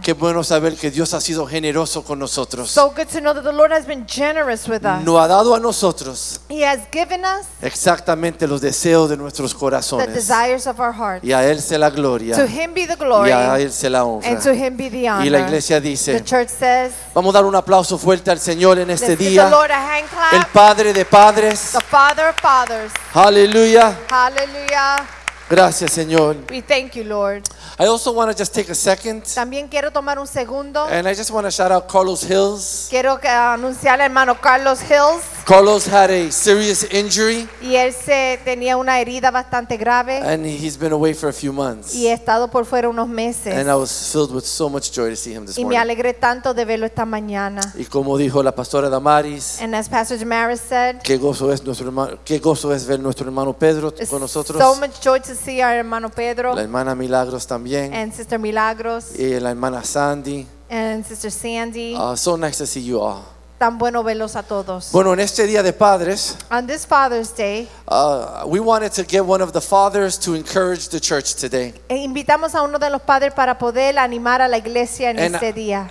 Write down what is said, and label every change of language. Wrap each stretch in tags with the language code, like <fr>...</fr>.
<es>Qué bueno saber que Dios ha sido generoso con nosotros.</es> <en>So good to know that the Lord has been generous with us.</en> <es>No ha dado a nosotros.</es> <en>He has given us</en> <es>exactamente los deseos de nuestros corazones.</es> <en>The desires of our hearts.</en> <es>Y a él sea la gloria.</es> <en>To him be the glory.</en> <es>Y a él sea la honra.</es> <en>And to him be the honor.</en> <es>Y la iglesia dice,</es> <en>the church says,</en> <es>vamos a dar un aplauso fuerte al Señor en este día.</es> <en>The Lord a hand clap.</en> <es>El Padre de padres.</es> <en>The Father of fathers.</en> <es>Aleluya. Aleluya. Gracias, Señor.</es> <en>We thank you, Lord. I also want to just take a second.</en> <es>También quiero tomar un segundo.</es> <en>And I just want to shout out Carlos Hills.</en> <es>Quiero anunciar al hermano Carlos Hills.</es> <en>Carlos had a serious injury.</en> <es>Y él se tenía una herida bastante grave.</es> <en>And he's been away for a few months.</en> <es>Y he estado por fuera unos meses.</es> <en>And I was filled with so much joy to see him this morning.</en> <es>Y me alegré tanto de verlo esta mañana. Y como dijo la pastora Damaris.</es> <en>And as Pastor Damaris said.</en> <es>Qué gozo es ver nuestro hermano Pedro con nosotros.</es> <en>So much joy to see our hermano Pedro.</en> <es>La hermana Milagros también.</es> <en>And Sister Milagros.</en> <es>Y la hermana Sandy.</es> <en>And Sister Sandy. So nice to see you all.</en> <es>Tan bueno verlos a todos. Bueno, en este día de padres,</es> <en>on this Father's Day, we wanted to get one of the fathers to encourage the church today.</en> <es>Invitamos a uno de los padres para poder animar a la iglesia en este día.</es>